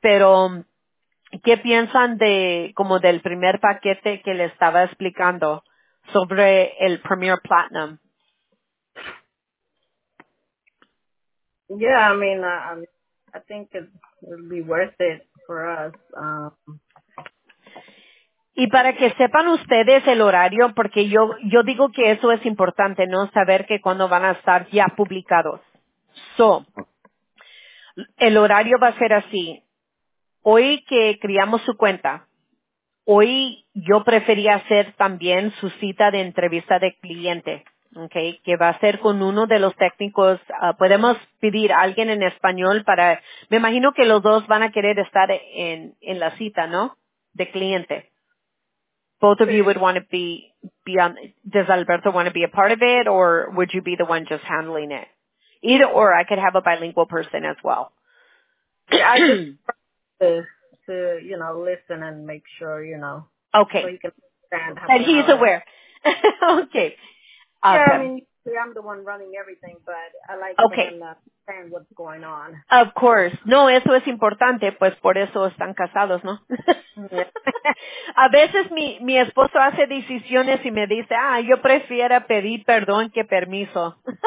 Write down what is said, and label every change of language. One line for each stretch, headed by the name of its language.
Spanish: Pero, ¿qué piensan de, como del primer paquete que le estaba explicando sobre el Premier Platinum?
English: Yeah, I mean, I think it would be worth it for us.
Spanish: Y para que sepan ustedes el horario, porque yo digo que eso es importante, ¿no? Saber que cuándo van a estar ya publicados. So, el horario va a ser así. Hoy que creamos su cuenta, hoy yo prefería hacer también su cita de entrevista de cliente, okay, que va a ser con uno de los técnicos. Podemos pedir a alguien en español para, me imagino que los dos van a querer estar en la cita, ¿no? De cliente.
English: Both of you would want to be on, does Alberto want to be a part of it, or would you be the one just handling it? Either or, I could have a bilingual person as well. I just to, you know, listen and make sure, you know. Okay. So you can understand. And he's aware. Okay. Yeah, awesome. I mean, See, I'm the one running everything, but I like okay. to understand what's going on. Of course.
Spanish: No, eso es importante, pues por eso están casados, ¿no?
English: Yeah.
Spanish: A veces mi esposo hace decisiones y me dice, ah, yo prefiero pedir perdón que permiso.